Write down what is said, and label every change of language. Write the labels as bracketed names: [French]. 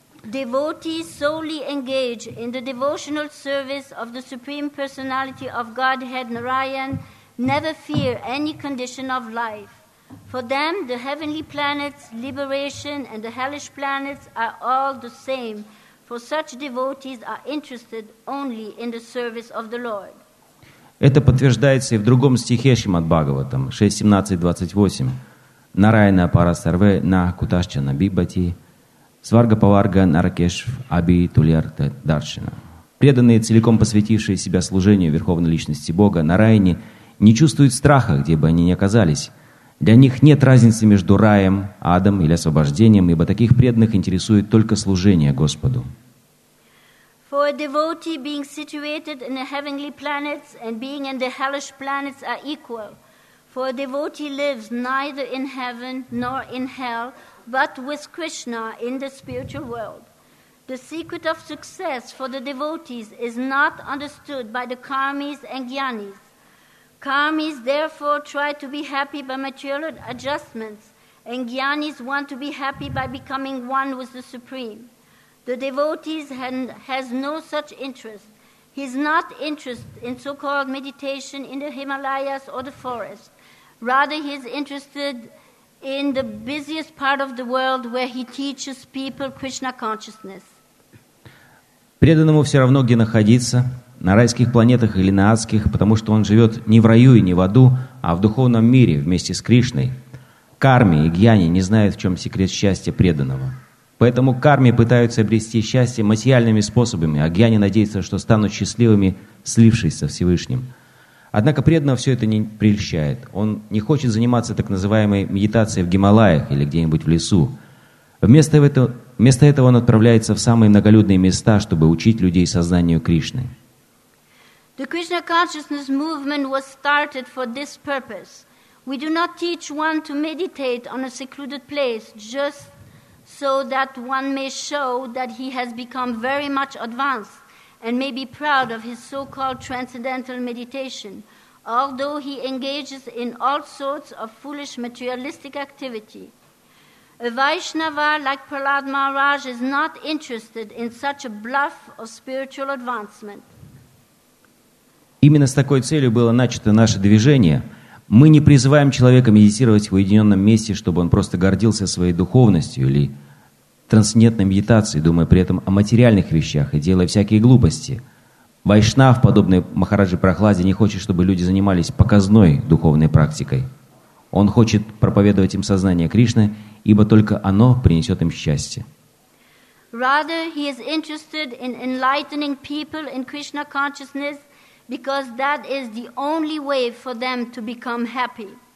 [English] Devotees solely engage in the devotional service of the Supreme Personality of Godhead Narayan never fear any condition of life. For them, the heavenly planets, liberation, and the hellish planets are all the same. For such devotees are interested only in the service of the Lord. [Russian] Это подтверждается и в другом стихе Шримад Бхагаватам, 6.17.28. [Sanskrit] Нараяна парасарве на куташча набибати, Сварга Паварга Наракеш Аби Тулярта Даршина. [Russian] Преданные, целиком посвятившие себя служению Верховной Личности Бога на Райане, не чувствуют страха, где бы они ни оказались. Для них нет разницы между раем, адом или освобождением, ибо таких преданных интересует только служение Господу. [English] For a devotee, being situated in the heavenly planets and being in the hellish planets are equal. For a devotee lives neither in heaven nor in hell, but with Krishna in the spiritual world. The secret of success for the devotees is not understood by the karmis and jnanis. Karmis therefore try to be happy by material adjustments, and jnanis want to be happy by becoming one with the Supreme. The devotee has no such interest. He is not interested in so-called meditation in the Himalayas or the forest. Rather, he is interested in the busiest part of the world where he teaches people Krishna consciousness. [Russian] Преданному все равно, где находиться, на райских планетах или на адских, потому что он живет не в раю и не в аду, а в духовном мире вместе с Кришной. Карми и гьяни не знают, в чем секрет счастья преданного. Поэтому карми пытаются обрести счастье материальными способами, а гьяни надеются, что станут счастливыми, слившись со Всевышним. Однако преданного все это не прельщает. Он не хочет заниматься так называемой медитацией в Гималаях или где-нибудь в лесу. Вместо этого он отправляется в самые многолюдные места, чтобы учить людей сознанию Кришны. [English] The Krishna consciousness movement was started for this purpose. We do not teach one to meditate on a secluded place just so that one may show that he has become very much advanced and may be proud of his so-called transcendental meditation, although he engages in all sorts of foolish materialistic activity. A Vaishnava like Prahlad Maharaj is not interested in such a bluff of spiritual advancement. [Russian] Именно с такой целью было начато наше движение. Мы не призываем человека медитировать в уединенном месте, чтобы он просто гордился своей духовностью или трансцендентной медитацией, думая при этом о материальных вещах и делая всякие глупости. Вайшнав, подобный Махараджи Прахладе, не хочет, чтобы люди занимались показной духовной практикой. Он хочет проповедовать им сознание Кришны, ибо только оно принесет им счастье. [English] Rather, he is interested in enlightening people in Krishna consciousness, because that is the only way for them to become happy.